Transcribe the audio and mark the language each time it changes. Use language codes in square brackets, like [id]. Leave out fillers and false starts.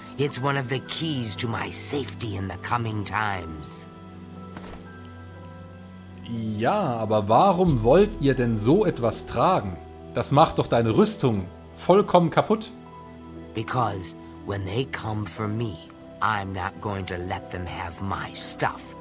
[en] It's one of the keys to my safety in the coming times. [de] Ja, aber warum wollt ihr denn so etwas tragen? Das macht doch deine Rüstung vollkommen kaputt. [en] Because when they come for me, I'm not going to let them have my stuff.